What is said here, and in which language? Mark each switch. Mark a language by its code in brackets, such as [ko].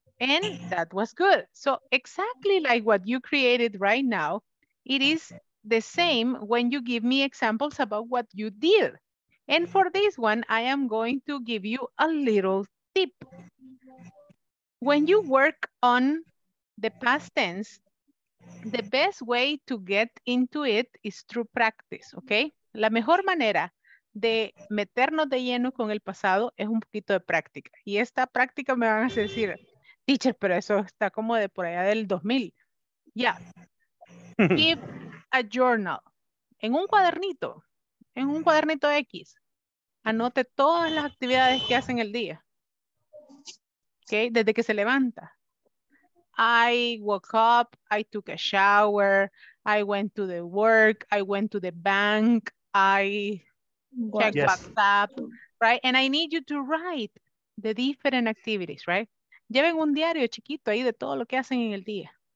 [en] And that was good. So exactly like what you created right now, it is the same when you give me examples about what you did. And for this one, I am going to give you a little tip. When you work on the past tense, the best way to get into it is through practice, okay? [es] La mejor manera de meternos de lleno con el pasado es un poquito de práctica. Y esta práctica me van a decir, teacher, pero eso está como de por allá del 2000. Yeah. [en] Keep a journal. [es] En un cuadernito X. Anote todas las actividades que hacen el día. [en] Okay, [es] desde que se levanta. [en] I woke up, I took a shower, I went to the work, I went to the bank, I checked WhatsApp, right? And I need you to write the different activities, right? [es] Lleven un diario chiquito ahí de todo lo que hacen en el día.